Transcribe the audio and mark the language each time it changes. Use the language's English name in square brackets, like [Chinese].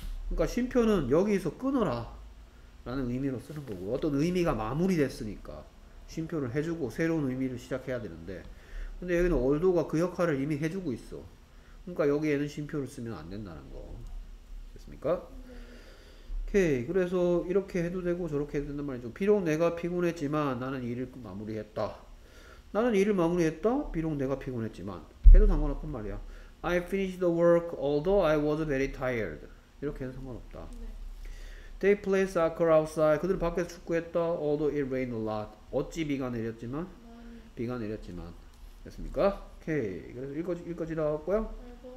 [Korean] 그러니까 쉼표는 여기서 끊어라 라는 의미로 쓰는 거고 어떤 의미가 마무리됐으니까 쉼표를 해주고 새로운 의미를 시작해야 되는데 근데 여기는 although가 그 역할을 이미 해주고 있어. 그러니까 여기에는 쉼표를 쓰면 안 된다는 거. 됐습니까? 오케이. 그래서 이렇게 해도 되고 저렇게 해도 된단 말이죠. 비록 내가 피곤했지만 나는 일을 마무리했다. 나는 일을 마무리했다? 비록 내가 피곤했지만 해도 상관없단 말이야. [English] I finished the work although I was very tired. [Korean] 이렇게 해도 상관없다. 네. [English] They play soccer outside. [Korean] 그들은 밖에서 축구했다. [English] Although it rained a lot. [Korean] 어찌 비가 내렸지만? 비가 내렸지만. 됐습니까? 오케이. 그래서 읽고 지나갔고요.